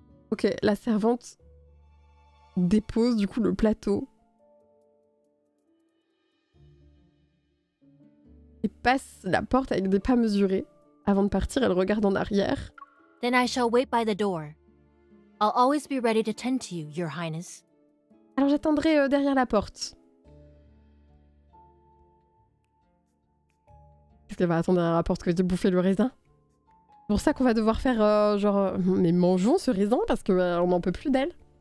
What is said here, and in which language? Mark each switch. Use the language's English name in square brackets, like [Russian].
[French] Ok, la servante dépose du coup le plateau. et passe la porte avec des pas mesurés. Avant de partir, elle regarde en arrière. [English] Then I shall wait by the door. I'll always be ready to tend to you, your highness. [French] Alors j'attendrai derrière la porte. Qu'est-ce qu'elle va attendre derrière la porte? Que j'ai bouffé le raisin? C'est pour ça qu'on va devoir faire genre... Mais mangeons ce raisin parce qu'on n'en peut plus d'elle.